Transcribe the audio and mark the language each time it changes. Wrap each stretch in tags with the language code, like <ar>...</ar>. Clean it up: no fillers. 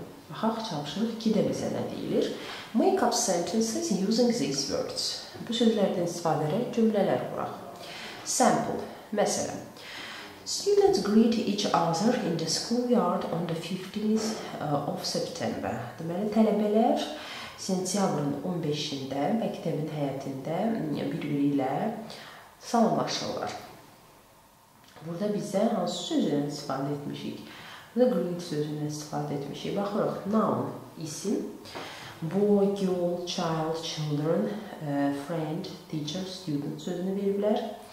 <az>Baxaq, çalışırıq ki, də bizə nə deyilir?</az> <en>Make up sentences using these words.</en> <az>Bu sözlərdən istifadə edərək cümlələr quraq. Sample, məsələn.</az> <en>Students greet each other in the schoolyard on the 15th of September.</en> <az>Deməli, tələbələr sentyabrın 15-də məktəbin həyətində bir-biri ilə salamlaşırlar. Burada bizə hansı sözünü istifadə etmişik? The greet sözünü istifadə etmişik. Baxırıq, noun, isim.</az> <en>Boy, girl, child, children, friend, teacher, student</en> <az>sözünü veriblər.</az>